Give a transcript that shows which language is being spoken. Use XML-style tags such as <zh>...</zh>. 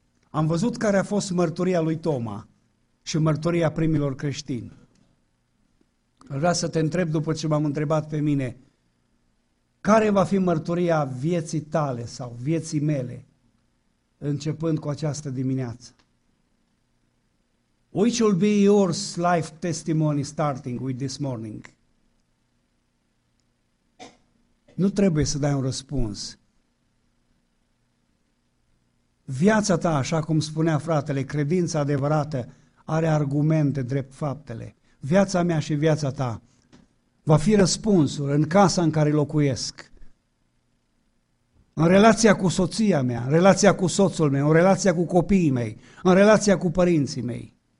<ro>Am văzut care a fost mărturia lui Toma și mărturia primilor creștini. Ar vrea să te întreb, după ce m-am întrebat pe mine, care va fi mărturia vieții tale sau vieții mele, începând cu această dimineață?</ro> <en>Which will be your life testimony starting with this morning?</en> <ro>Nu trebuie să dai un răspuns. Viața ta, așa cum spunea fratele, credința adevărată are argumente drept faptele. Viața mea și viața ta va fi răspunsul în casa în care locuiesc, în relația cu soția mea, în relația cu soțul meu, în relația cu copiii mei, în relația cu părinții mei.</ro>